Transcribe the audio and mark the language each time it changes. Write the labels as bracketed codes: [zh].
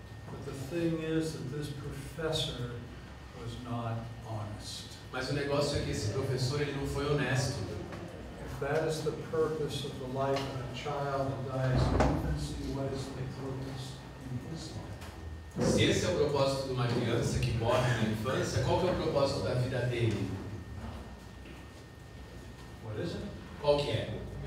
[en] But the thing is that this professor was not honest. [pt] Mas o negócio é que esse professor ele não foi honesto. [en] If that is the purpose of the life of a child that dies in infancy, what is the purpose in his life? [pt] Se esse é o propósito de uma criança que morre na infância, qual que é o propósito da vida dele? Qual que é?